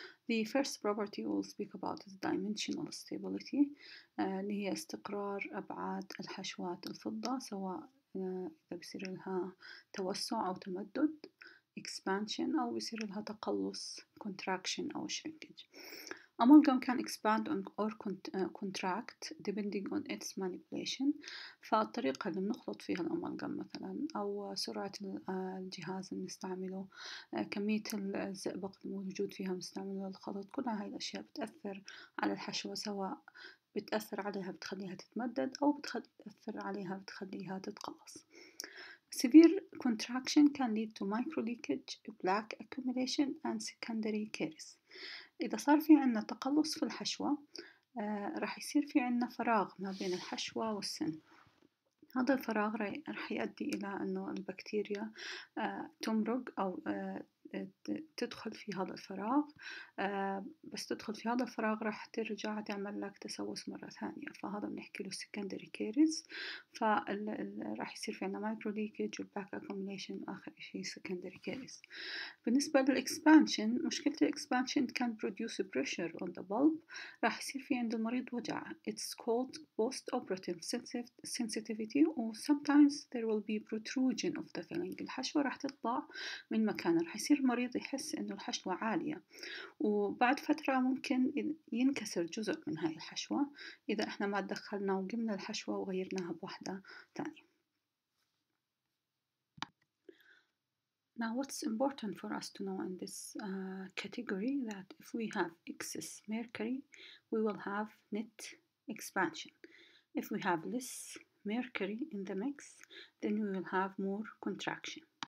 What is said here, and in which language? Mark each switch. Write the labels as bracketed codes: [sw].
[en] The first property we'll speak about is dimensional stability, [ar] اللي هي استقرار أبعاد الحشوات الفضة سواء إذا بصير لها توسع أو تمدد expansion أو يصير لها تقلص contraction أو shrinkage. [en] Amalgam can expand or contract depending on its manipulation. [ar] فالطريقة اللي بنخلط فيها الأمالغام مثلا أو سرعة الجهاز اللي نستعمله كمية الزئبق الموجود فيها مستعمله للخلط كل هاي الأشياء بتأثر على الحشوة سواء بتأثر عليها بتخليها تتمدد أو بتأثر عليها بتخليها تتقلص. [en] Severe contraction can lead to micro leakage, plaque accumulation, and secondary caries. [ar] إذا صار في عنا تقلص في الحشوة، رح يصير في عنا فراغ ما بين الحشوة والسن. هذا الفراغ رح يؤدي إلى إنه البكتيريا تمرق أو تدخل في هذا الفراغ. بس تدخل في هذا الفراغ رح ترجع تعمل لك تسوس مرة ثانية. فهذا بنحكي له secondary caries. فرح يصير في عنا micro leakage و back accumulation آخر شيء secondary caries. بالنسبة لل expansion مشكلة ال [en] expansion can produce pressure on the bulb. [ar] رح يصير في عند المريض وجع. [en] It's called post operative sensitivity or sometimes there will be protrusion of the filling. [ar] الحشوة رح تطلع من مكانها. رح يصير المريض يحس إنه الحشوة عالية وبعد فترة ممكن ينكسر جزء من هاي الحشوة إذا إحنا ما دخلنا وقمنا الحشوة وغيرناها بوحدة تانية. [en] Now what's important for us to know in this category that if we have excess mercury we will have net expansion. If we have less mercury in the mix then we will have more contraction.